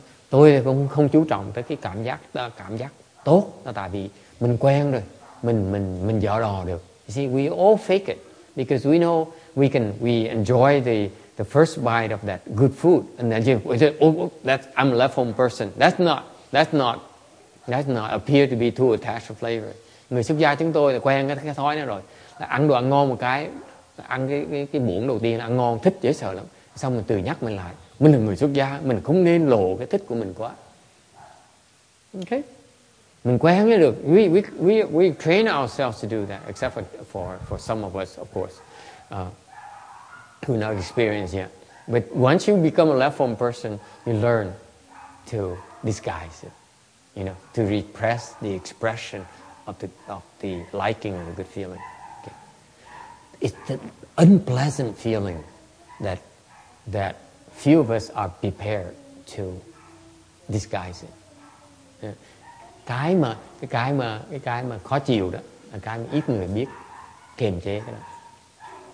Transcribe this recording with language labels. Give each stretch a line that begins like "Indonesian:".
Vietnamese: Tôi cũng không chú trọng tới cái cảm giác tốt, tại vì mình quen rồi, mình dở đò được.
English: You see, we all fake it because we know we enjoy the first bite of that good food, and then we say, oh, that's I'm a left home person. That's not That's not appear to be too attached to flavor.
Vietnamese: Người xuất gia chúng tôi là quen cái thói này rồi. Là ăn đồ ăn ngon một cái, ăn cái muỗng đầu tiên ăn ngon, thích dễ sợ lắm. Xong mình tự nhắc mình lại. Mình là người xuất gia, mình không nên lộ cái thích của mình quá. Okay? Mình quen với được.
English: We train ourselves to do that, except for some of us, of course, who not experienced yet. But once you become a left-form person, you learn to disguise it, you know, to repress the expression of the liking or the good feeling. Okay. It's the unpleasant feeling that few of us are prepared to disguise it.
Vietnamese: Cái mà khó chịu đó, cái mà ít người biết kiềm chế đó.